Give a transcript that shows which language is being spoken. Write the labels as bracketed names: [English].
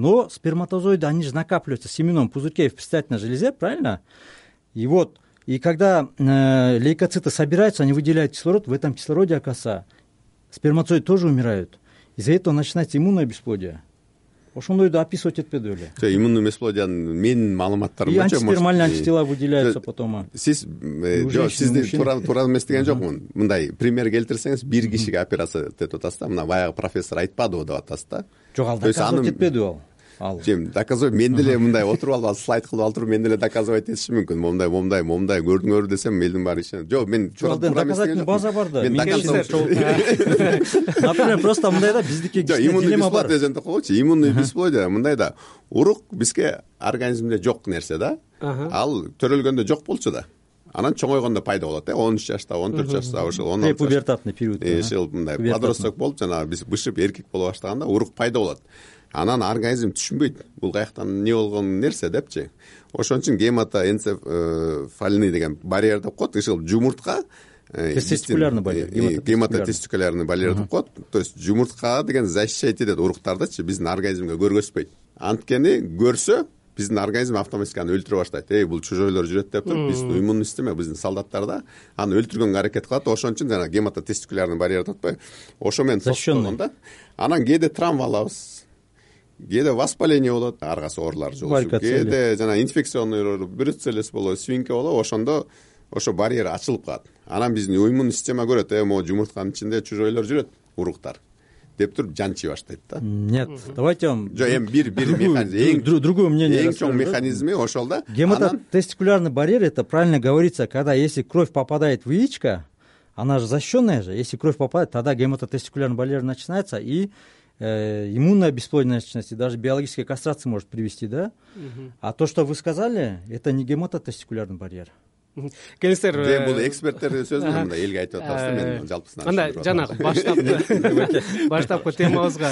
[Russian] Но сперматозоиды, они же накапливаются в семенном пузырьке в предстательной железе, правильно? И вот... И когда лейкоциты собираются, они выделяют кислород, в этом кислороде, оказывается, сперматозоиды тоже умирают. Из-за этого начинается иммунное бесплодие. [Kyrgyz] Ошондойду описывать этпеди эле. Жо, иммунный бесплодие, менин маалыматтарым [Russian] боюнча, антисперматозоид антитела выделяются потом. [Kyrgyz] Сиз, сизди туура эмес деген жокмун. Мындай пример келтирсеңиз, бир кишиге операция деп атасыз да, мына баягы профессор айтпадыбы деп атасыз да. Жок, ал доказывать этпеди ал. Доказывай, мен деле мындай отуруп алып слайд кылып алып туруп, мен деле доказывать этиши мүмкүн. Момундай көрдүңөрү десем, элдин баары ишенет. Жок, мен доказательный база бар да. Например, просто мындай да, биздики кичине дилемма бар. Иммунный бесплодие дегенди койчу, иммунный бесплодие мындай да. Урук бизге организмде жок нерсе да. Ал төрөлгөндө жок болчу да. Анан чоңойгондо пайда болот, э? 13 жашта, 14 жашта, ошол 16 жашта. Пубертатный период. Ошол мындай подросток болуп жана биз бышып эркек боло баштаганда урук пайда болот. Анан организм түшүнбөйт, бул каяктан эмне болгон нерсе депчи. Ошон үчүн гематоэнцефалный деген барьер деп коет, ошол жумуртка [Russian] тестикулярный барьер. [Kyrgyz] Гематотестикулярный барьер деп коет. То есть жумуртка деген защищать этет уруктардычы, биздин организмге көргөзбөйт. Анткени көрсө, биздин организм автоматически аны өлтүрө баштайт. Эй, бул чужойлор жүрөт деп туруп, биздин иммунный система, биздин солдаттар да аны өлтүргөнгө аракет кылат. Ошон үчүн жана гематотестикулярный барьер деп атпайбы? Ошо менен [Russian] защищённый. [Kyrgyz] Анан кээде травма алабыз. Кээде воспаление болот, ар кайсы оорулар жолушуп, кээде жана инфекционный оору, бруцеллез болобу, свинка болобу, ошондо ошо барьер ачылып калат. Анан биздин иммунный система көрөт, могу жумуртканын ичинде чужойлор жүрөт, уруктар деп туруп жанчый баштайт да. [Russian] Нет, давайте вам. [Kyrgyz] Жо, эми бир механизм, [Russian] другое мнение. [Kyrgyz] Эң чоң механизми ошол да. [Russian] Гематотестикулярный барьер, это правильно говорится, когда если кровь попадает в яичко, она же защищенная же. Если кровь попадает, тогда гематотестикулярный барьер начинается и иммунная бесплодие, даже биологическая кастрация может привести, да? А то, что вы сказали, это не гематотестикулярный барьер. [Kyrgyz] Келестер, бул эксперттердин сөзү мында элге айтып атасыз, мен жалпысынан. Анда жанагы баштапкы темабызга.